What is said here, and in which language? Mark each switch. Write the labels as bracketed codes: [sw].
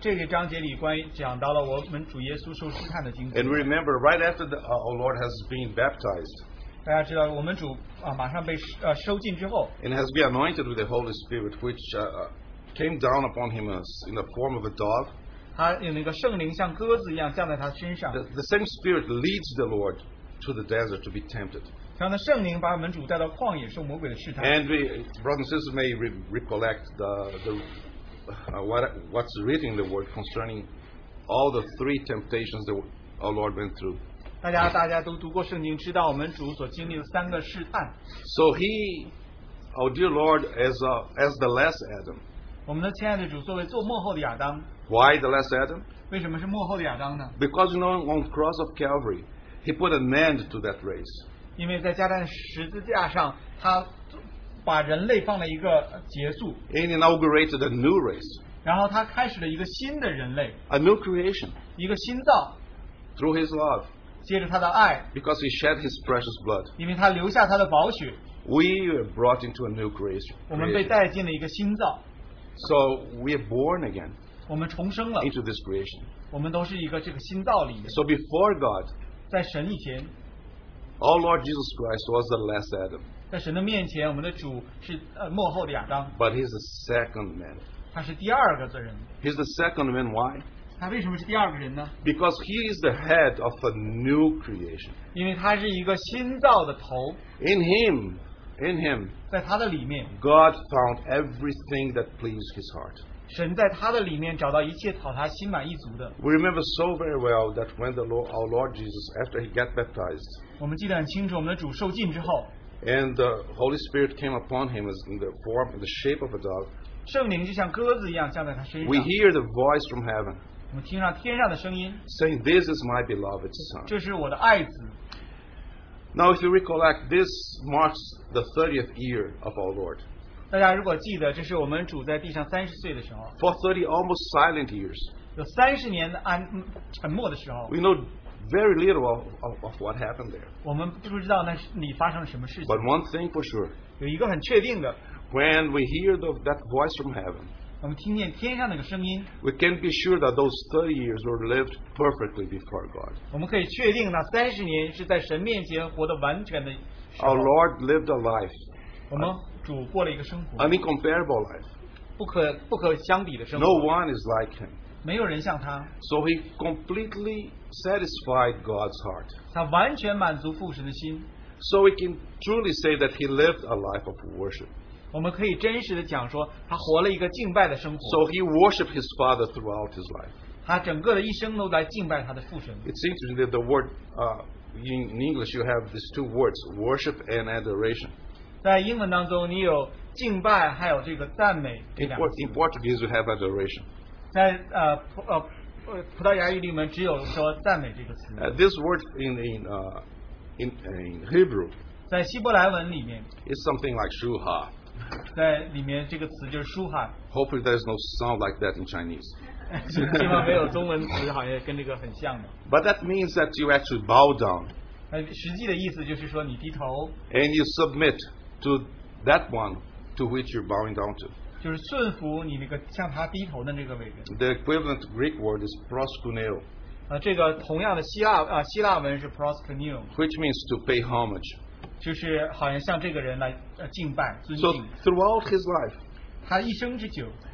[zh] 这个章节里关于讲到了我们主耶稣受试探的经历。 [en] And remember, right after the our Lord has been baptized. [zh] 大家知道我们主、啊、马上被、啊、收进之后 [en] and has been anointed with the Holy Spirit which came down upon him as in the form of a dove [zh] 他有那个圣灵像鸽子一样降在他身上 [en] the same Spirit leads the Lord to the desert to be tempted [zh] 像那圣灵把我们主带到旷野受魔鬼的试探 [en] and we, brothers and sisters may recollect what's written in the word concerning all the three temptations that our Lord went through [zh] 大家都读过圣经，知道我们主所经历的三个试探。 [en] So he, our dear Lord, as the last Adam. [zh] 我们的亲爱的主作为做末后的亚当。 [en] Why the last Adam? [zh] 为什么是末后的亚当呢 [en] ？Because you know, on the cross of Calvary, he put an end to that race. [zh] 因为在加丹十字架上，他把人类放了一个结束。 [en] He inaugurated a new race. [zh] 然后他开始了一个新的人类。 [en] A new creation. [zh] 一个新造。 [en] Through his love. [zh] 借着他的爱 [en] because he shed his precious blood, [zh] 因为他留下他的宝血 [en] we were brought into a new creation, [zh] 我们被带进了一个新造 [en] so we are born again, [zh] 我们重生了 [en] into this creation, [zh] 我们都是一个这个新造里面 [en] so before God, [zh] 在神以前 [en] our Lord Jesus Christ was the last Adam, [zh] 在神的面前我们的主是末后的亚当 [en] but he's the second man, [zh] 他是第二个的人 [en] he's the second man, why? [zh] 他为什么是第二个人呢 [en] Because he is the head of a new creation. [zh] 因为他是一个新造的头。 [en] In him, [zh] 在他的里面 [en] God found everything that pleased his heart. [zh] 神在他的里面找到一切讨他心满意足的。 [en] We remember so very well that when the Lord, our Lord Jesus, after he got baptized, [zh] 我们记得很清楚我们的主受浸之后 [en] and the Holy Spirit came upon him as in the form, in the shape of a dove, [zh] 圣灵就像鸽子一样降在他身上。 [en] We hear the voice from heaven. [zh] 我们听上天上的声音 [en] saying this is my beloved son [zh] 这是我的爱子 [en] now if you recollect this marks the 30th year of our Lord [zh] 大家如果记得这是我们主在地上30岁的时候 [en] for 30 almost silent years [zh] 有30年的安沉默的时候 [en] we know very little of what happened there [zh] 我们不知道那里发生了什么事情 [en] but one thing for sure [zh] 有一个很确定的 [en] when we hear that voice from heavenWe can be sure that those 30 years were lived perfectly before God. [zh] 我们可以确定那三十年是在神面前活得完全的。 [en] Our Lord lived a life. [zh] 我们主过了一个生活。 [en] An incomparable life. [zh] 不可相比的生活。 [en] No one is like him. [zh] 没有人像他。 [en] So he completely satisfied God's heart. [zh] 他完全满足父神的心。 [en] So we can truly say that he lived a life of worship. [zh] 我们可以真实的讲说他活了一个敬拜的生活 [en] so he worshipped his father throughout his life [zh] 他整个的一生都在敬拜他的父神 [en] it's interesting that the word in English you have these two words worship and adoration [zh] 在英文当中你有敬拜还有这个赞美 [en] in Portuguese you have adoration [zh] 在 [en] This word in Hebrew [zh] 在希伯来文里面, [en] is something like shuha. [zh] 在里面这个词就是舒哈. [en] Hopefully there's no sound like that in Chinese. [zh] 希望没有中文词好像跟这个很像的. [en] But that means that you actually bow down. [zh] 实际的意思就是说你低头, [en] and you submit to that one to which you're bowing down to. [zh] 就是顺服你那个向他低头的那个位置. [en] The equivalent Greek word is proskuneo. [zh] 这个同样的希腊文是 proskuneo, [en] which means to pay homage. [zh] 就是好像向这个人来敬拜, 尊敬. [en] So throughout his life, [zh] 他一生之久,